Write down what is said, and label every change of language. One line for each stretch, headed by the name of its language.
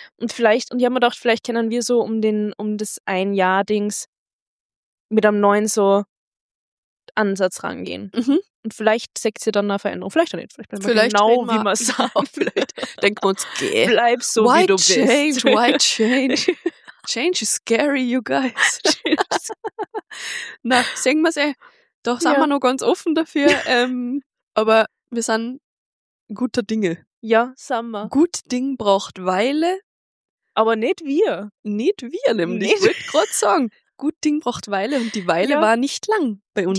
German: Und vielleicht, und ich habe mir gedacht, vielleicht können wir so um das Ein-Jahr-Dings mit einem neuen so Ansatz rangehen. Und vielleicht seht ihr dann eine Veränderung. Vielleicht auch nicht. Vielleicht denken wir uns, geh. Bleib so,
English: why
German: wie du
English: change?
German: Bist.
English: Why change? Change is scary, you guys.
German: Na, sehen wir es eh. Doch, sind wir noch ganz offen dafür. Aber wir sind guter Dinge. Ja, sind wir. Gut Ding braucht Weile. Aber nicht wir. Nicht wir, nämlich. Ich wollte gerade sagen. Gut Ding braucht Weile und die Weile war nicht lang bei uns.